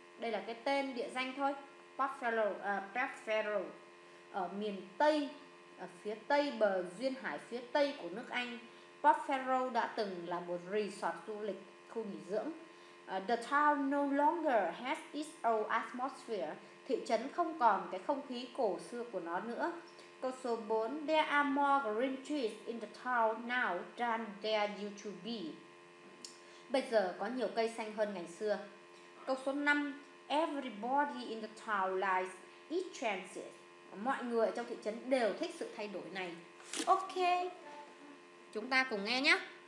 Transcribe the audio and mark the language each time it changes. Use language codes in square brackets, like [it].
[vi] Đây là cái tên địa danh thôi. Bob Fields ở miền Tây, ở phía tây bờ duyên hải phía tây của nước Anh. Port Farrell đã từng là một resort du lịch, khu nghỉ dưỡng. [en] The town no longer has its old atmosphere. [vi] Thị trấn không còn cái không khí cổ xưa của nó nữa. Câu số 4. [en] There are more green trees in the town now than there used to be. [vi] Bây giờ có nhiều cây xanh hơn ngày xưa. Câu số 5. [en] Everybody in the town likes its chances. [vi] Mọi người trong thị trấn đều thích sự thay đổi này. Ok, chúng ta cùng nghe nhé.